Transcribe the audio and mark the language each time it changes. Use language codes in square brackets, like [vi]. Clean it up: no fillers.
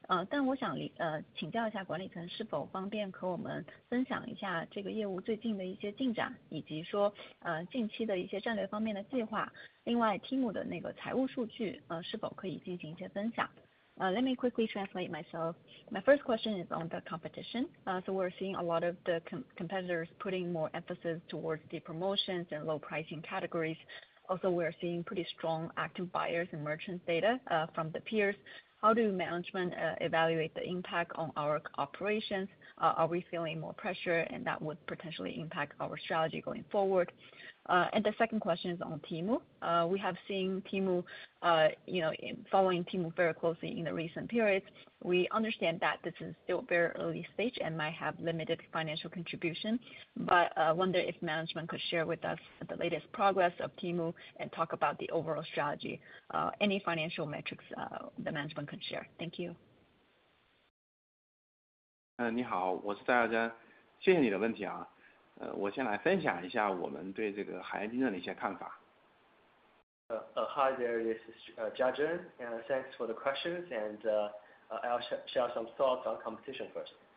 [zh] 但我想请教一下管理层是否方便和我们分享一下这个业务最近的一些进展，以及说近期的一些战略方面的计划。另外 Temu 的那个财务数据是否可以进行一些分享。 [en] Let me quickly translate myself. My first question is on the competition. So we're seeing a lot of the competitors putting more emphasis towards the promotions and low pricing categories. Also, we're seeing pretty strong active buyers and merchants data from the peers. How do management evaluate the impact on our operations? Are we feeling more pressure and that would potentially impact our strategy going forward? And the second question is on Temu. We have seen Temu, you know, following Temu very closely in the recent periods. We understand that this is still very early stage and might have limited financial contribution, but wonder if management could share with us the latest progress of Temu and talk about the overall strategy. Any financial metrics the management can share. Thank you. [zh] 你好，我是戴亚珍，谢谢你的问题啊。我先来分享一下我们对这个海岸竞争的一些看法。 [en] Hi there, this is Jiazhen. Thanks for the questions, and I'll share some thoughts on competition first.